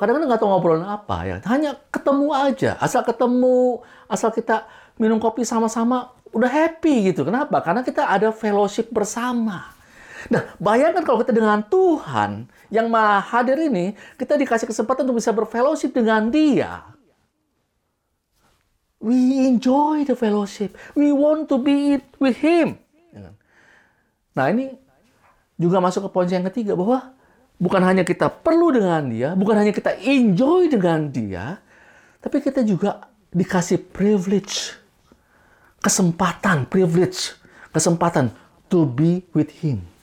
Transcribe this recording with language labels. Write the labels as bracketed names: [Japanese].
[Indonesian] Kadang-kadang nggak tahu ngobrolin apa ya, hanya ketemu aja. Asal ketemu, asal kita minum kopi sama-sama, udah happy gitu. Kenapa? Karena kita ada fellowship bersama. Nah, bayangkan kalau kita dengan Tuhan yang maha hadir ini, kita dikasih kesempatan untuk bisa berfellowship dengan Dia. [English] We enjoy the fellowship. We want to be it with him. [Indonesian] Nah, ini juga masuk ke poin yang ketiga, bahwa bukan hanya kita perlu dengan dia, bukan hanya kita enjoy dengan dia, tapi kita juga dikasih privilege, kesempatan, privilege, kesempatan [English] to be with him.